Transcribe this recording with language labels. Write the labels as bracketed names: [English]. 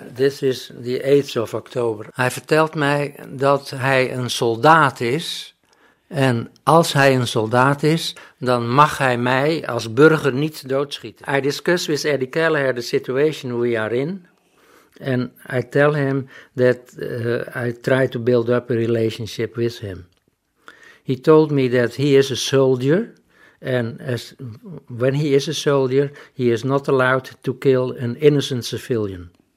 [English] This is the 8th of October. [Dutch] Hij vertelt mij dat hij een soldaat is. En als hij een soldaat is, dan mag hij mij als burger niet doodschieten. [English] I discuss with Eddie Kelleher the situation we are in. And I tell him that I try to build up a relationship with him. He told me that he is a soldier. And when he is a soldier, he is not allowed to kill an innocent civilian.